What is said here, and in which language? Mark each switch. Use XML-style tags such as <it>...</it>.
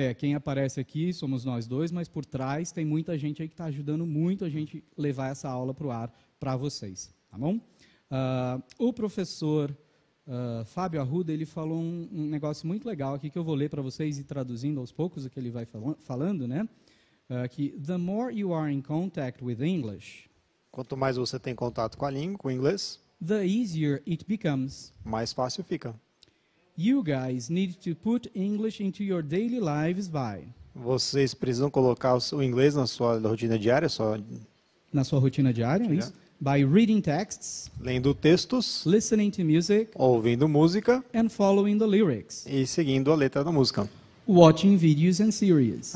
<pt>quem aparece aqui somos nós dois, mas por trás tem muita gente aí que está ajudando muito a gente levar essa aula para o ar para vocês, tá bom? O professor Fábio Arruda, ele falou um negócio muito legal aqui que eu vou ler para vocês e traduzindo aos poucos o que ele vai falando, né? Que</pt> <en>the more you are in contact with English,</en> <pt>Quanto mais você tem contato com a língua, com o inglês,</pt> <en>the easier it becomes.</en> <pt>mais fácil fica.</pt> <en>You guys need to put English into your daily lives by.</en> <pt>Vocês precisam colocar o inglês na sua rotina diária, sua Na sua rotina diária, é rotina. isso?</pt> <en>By reading texts,</en> <pt>Lendo textos,</pt> <en>listening to music,</en> <pt>ouvindo música</pt> <en>and following the lyrics.</en> <pt>e seguindo a letra da música.</pt> <en>Watching videos and series.</en>